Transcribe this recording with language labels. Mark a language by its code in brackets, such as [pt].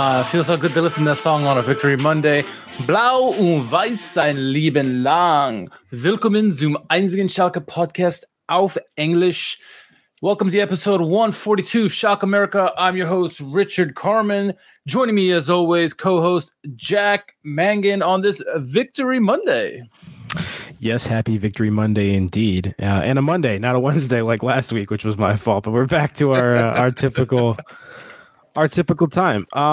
[en] Feels so good to listen to that song on a Victory Monday. [de] Blau und Weiß sein Leben lang. Willkommen zum einzigen Schalke Podcast auf Englisch. [en] Welcome to episode 142 of Schalke America. I'm your host, Richard Carman. Joining me as always, co-host Jack Mangan on this Victory Monday. Yes, happy Victory Monday indeed. And a Monday, not a Wednesday like last week, which was my fault. But we're back to our typical time.